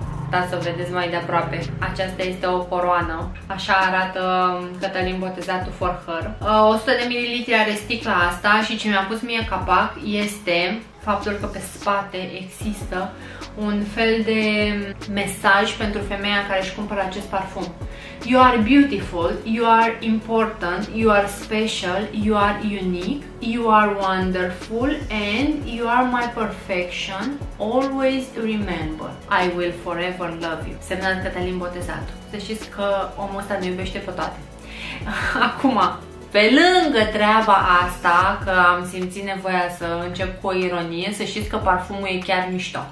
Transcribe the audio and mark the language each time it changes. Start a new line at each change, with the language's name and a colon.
Romanian: așteptat să vedeți mai de aproape. Aceasta este o coroană. Așa arată Cătălin botezatul for her. 100 de mililitri are sticla asta și ce mi-a pus mie capac este faptul că pe spate există un fel de mesaj pentru femeia care își cumpără acest parfum.
English: You are beautiful, you are important, you are special, you are unique, you are wonderful and you are my perfection. Always remember, I will forever love you.
Romanian: Semnat Cătălin Botezatu. Să știți că omul ăsta ne iubește pe toate. Acum, pe lângă treaba asta, că am simțit nevoia să încep cu o ironie, să știți că parfumul e chiar mișto.